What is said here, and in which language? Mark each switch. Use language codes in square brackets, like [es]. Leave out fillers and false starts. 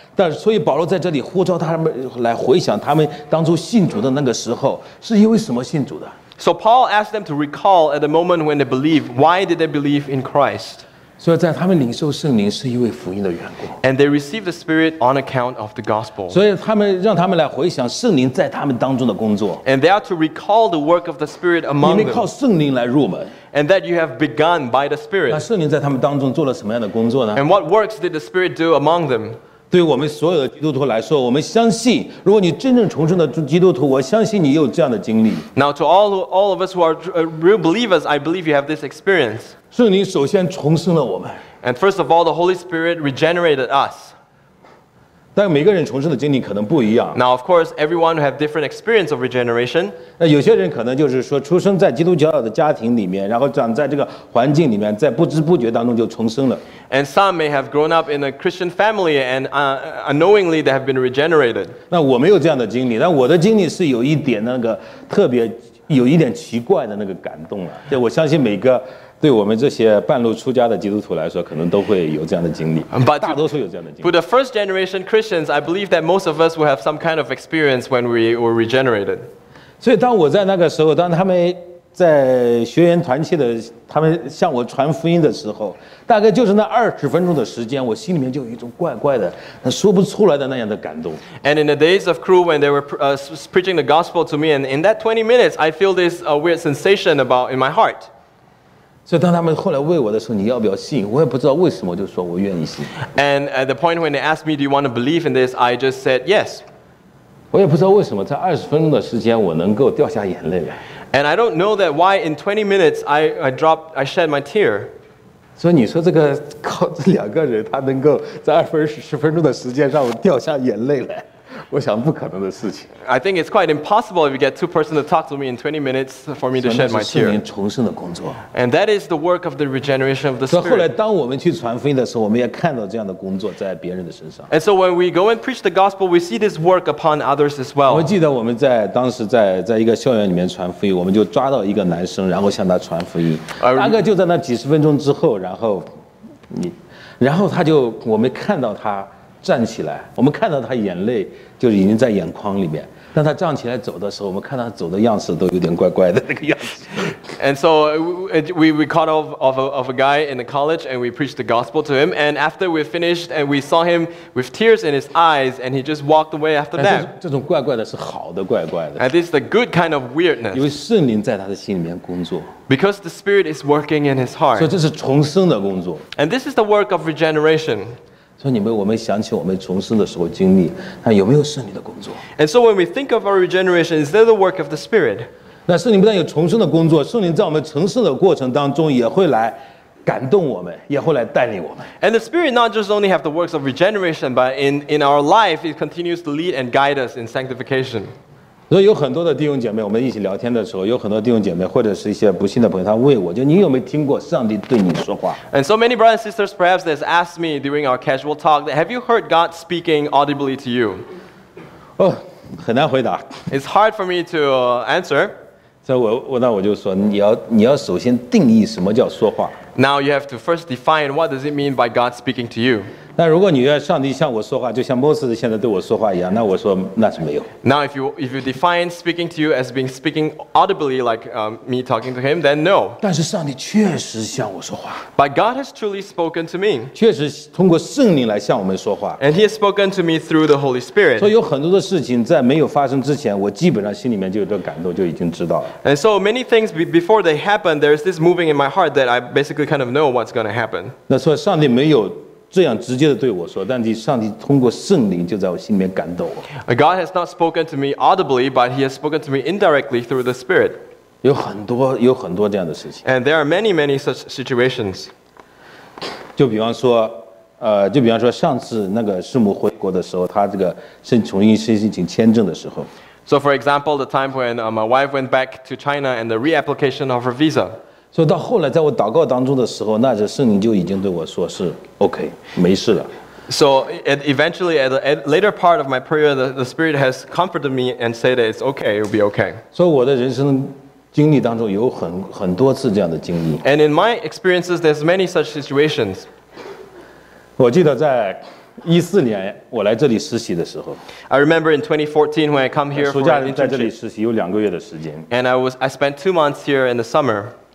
[zh] 但是所以保罗在这里呼召他们来回想他们当初信主的那个时候是因为什么信主的。 [en] So Paul asked them to recall at the moment when they believed, why did they believe in Christ? [zh] 所以在他们领受圣灵是因为福音的缘故。 [en] And they receive the Spirit on account of the gospel. [zh] 所以他们让他们来回想圣灵在他们当中的工作。 [en] And they are to recall the work of the Spirit among them. [zh] 你们靠圣灵来入门。 [en] And that you have begun by the Spirit. [zh] 那圣灵在他们当中做了什么样的工作呢？ [en] And what works did the Spirit do among them? [zh] 对我们所有的基督徒来说，我们相信，如果你真正重生的基督徒，我相信你有这样的经历。 [en] Now to all of us who are real believers, I believe you have this experience. [zh] 圣灵首先重生了我们。 [en] And first of all, the Holy Spirit regenerated us. [zh] 但每个人重生的经历可能不一样。 [en] Now, of course, everyone have different experience of regeneration. [zh] 那有些人可能就是说出生在基督教的家庭里面，然后长在这个环境里面，在不知不觉当中就重生了。 [en] And some may have grown up in a Christian family and unknowingly they have been regenerated. [zh] 那我没有这样的经历，但我的经历是有一点那个特别，有一点奇怪的那个感动了。就我相信每个。对我们这些半路出家的基督徒来说，可能都会有这样的经历。 [en] But, [zh] 大多数有这样的经历。 [en] For the first generation Christians, I believe that most of us will have some kind of experience when we were regenerated. [zh] 所以当我在那个时候，当他们在学员团契的，他们向我传福音的时候，大概就是那二十分钟的时间，我心里面就有一种怪怪的、说不出来的那样的感动。 [en] And in the days of crew when they were preaching the gospel to me, and in that 20 minutes, I feel this weird sensation about in my heart. [zh] 所以当他们后来问我的时候，你要不要信？我也不知道为什么，就说我愿意信。 [en] And at the point when they asked me, "Do you want to believe in this?" I just said yes. [zh] 我也不知道为什么在二十分钟的时间我能够掉下眼泪。 [en] And I don't know that why in 20 minutes I shed my tear. [zh] 所以你说这个靠这两个人，他能够在二十分钟的时间让我掉下眼泪来，我想不可能的事情。 [en] I think it's quite impossible if you get two persons to talk to me in 20 minutes for me to shed my tear. [zh] 是重生的工作。 [en] And that is the work of the regeneration of the spirit. [zh] 所以后来当我们去传福音的时候，我们也看到这样的工作在别人的身上。 [en] And so when we go and preach the gospel, we see this work upon others as well. [zh] 我记得我们在当时在一个校园里面传福音，我们就抓到一个男生，然后向他传福音。大概就在那几十分钟之后，然后他就我们看到他。站起来，我们看到他眼泪就已经在眼眶里面。当他站起来走的时候，我们看他走的样子都有点怪怪的那个样子。 [en] And so we caught of a guy in the college and we preached the gospel to him. And after we finished and we saw him with tears in his eyes and he just walked away after that. [zh] 这种怪怪的是好的怪怪的。 [en] And this is the good kind of weirdness. [zh] 因为圣灵在他的心里面工作。 [en] Because the Spirit is working in his heart. [zh] 所以这是重生的工作。 [en] And this is the work of regeneration. [zh] 所以你们，我们想起我们重生的时候经历，那有没有圣灵的工作 [en] ？And so when we think of our regeneration, is there the work of the Spirit? [zh] 那圣灵不但有重生的工作，圣灵在我们重生的过程当中也会来感动我们，也会来带领我们。 [en] And the Spirit not just only have the works of regeneration, but in our life, it continues to lead and guide us in sanctification. [zh] 所以有很多的弟兄姐妹，我们一起聊天的时候，有很多弟兄姐妹或者是一些不信的朋友，他问我，就你有没有听过上帝对你说话 [en] ？And so many brothers and sisters perhaps has asked me during our casual talk, "Have you heard God speaking audibly to you?" [zh] 哦，很难回答。 [en] It's hard for me to answer. [zh] 所以我就说，你要首先定义什么叫说话。 [en] Now you have to first define what does it mean by God speaking to you. [zh] 那如果你要上帝向我说话，就像摩西现在对我说话一样，那我说那是没有。 [en] Now if you define speaking to you as being speaking audibly like me talking to him, then no. [zh] 但是上帝确实向我说话。 [en] But God has truly spoken to me. [zh] 确实通过圣灵来向我们说话。 [en] And he has spoken to me through the Holy Spirit. [zh] 所以有很多的事情在没有发生之前，我基本上心里面就有这感动，就已经知道了。 [en] And so many things before they happen, there's this moving in my heart that I basically kind of know what's going to happen. [zh] 那所以上帝没有。这样直接的对我说，但是上帝通过圣灵就在我心里面感动我。 [en] God has not spoken to me audibly, but he has spoken to me indirectly through the Spirit. [zh] 有很多这样的事情。 [en] And there are many, many such situations. [zh] 就比方说上次那个师母回国的时候，他这个申请签证的时候。 [en] So for example, the time when my wife went back to China and the reapplication of her visa. [zh] 所以到后来，在我祷告当中的时候，那这圣灵就已经对我说是 OK， 没事了。 [en] So eventually, at the later part of my prayer, the Spirit has comforted me and said that it's okay, it'll be okay. [zh] 所以我的人生经历当中有很多次这样的经历。 [en] And in my experiences, there's many such situations. [zh] 我记得在2014年我来这里实习的时候 [en] ，I remember in 2014 when I come here for an internship. [zh] 暑假在这里实习有两个月的时间。 [en] And I spent 2 months here in the summer.